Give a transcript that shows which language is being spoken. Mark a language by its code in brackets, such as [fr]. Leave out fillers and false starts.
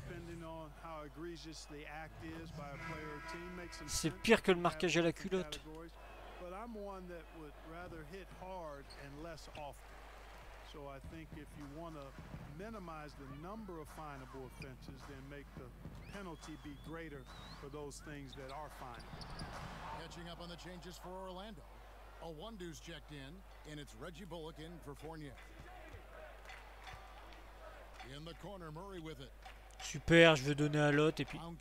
[en] Depending on how egregious the act is by a player or team makes some. [fr] C'est pire que le marquage à la culotte. [en] But I'm one that would rather hit hard and less often. So I think if you want to minimize the number of finable offenses, then make the penalty be greater for those things that are fine. Catching up on the changes for Orlando. A one deuce checked in, and it's Reggie Bullock in for Fournier. In the corner, Murray with it. [fr] Super, je veux donner à Lott et puis.